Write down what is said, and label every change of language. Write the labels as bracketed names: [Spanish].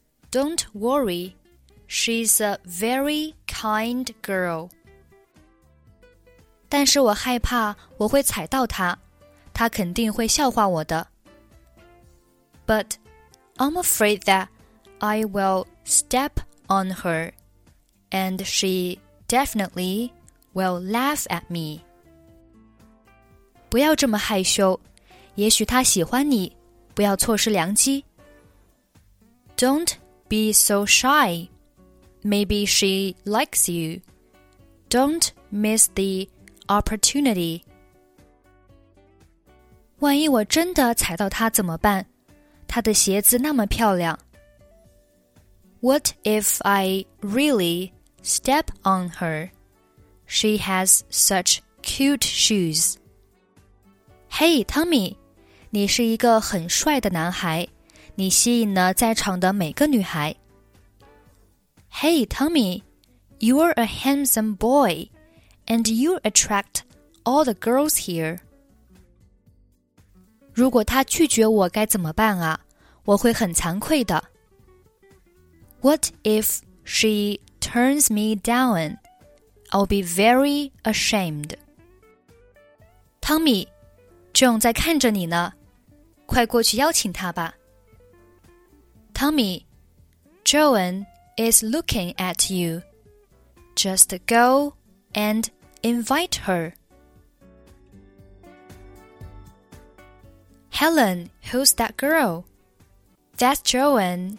[English] Don't worry, she's a very kind girl. [Chinese] 但是我害怕我会踩到她，她肯定会笑话我的。 [English] But I'm afraid that I will step on her, and she definitely will laugh at me. [Chinese] 不要这么害羞，也许她喜欢你，不要错失良机。 [English] Don't. Be so shy. Maybe she likes you. Don't miss the opportunity. [Chinese] 万一我真的踩到她怎么办？她的鞋子那么漂亮。 [English] What if I really step on her? She has such cute shoes. [Chinese] Hey, Tommy, 你是一个很帅的男孩。你吸引了在场的每个女孩。 [English] Hey, Tommy, you're a handsome boy, and you attract all the girls here. [Chinese] 如果她拒绝我该怎么办啊？我会很惭愧的。 [English] What if she turns me down? I'll be very ashamed. [Chinese] Tommy, Joan 在看着你呢，快过去邀请她吧。 [English] Tommy, Joan is looking at you. Just go and invite her. Helen, who's that girl? That's Joan.